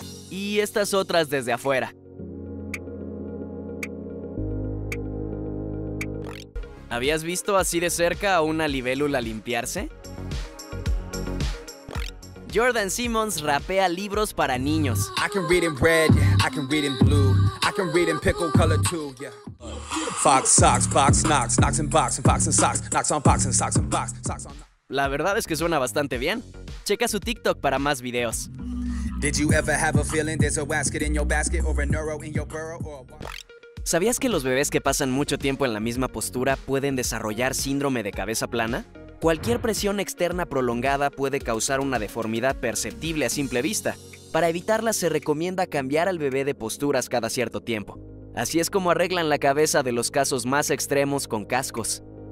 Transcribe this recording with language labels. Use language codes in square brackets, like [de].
[es] Y estas otras desde afuera. ¿Habías visto así de cerca a una libélula limpiarse? Jordan Simmons rapea libros para niños. [en] I can read in red, I can read in blue, I can read in pickle color too, yeah. Fox socks, box knocks, knocks and box and fox and socks, knocks on fox and socks and box, socks on. [es] La verdad es que suena bastante bien. Checa su TikTok para más videos. [en] Did you ever have a feeling there's a basket in your basket or a neuro in your burrow or a... [es] ¿Sabías que los bebés que pasan mucho tiempo en la misma postura pueden desarrollar síndrome de cabeza plana? Cualquier presión externa prolongada puede causar una deformidad perceptible a simple vista. Para evitarla, se recomienda cambiar al bebé de posturas cada cierto tiempo. Así es como arreglan la cabeza de los casos más extremos con cascos.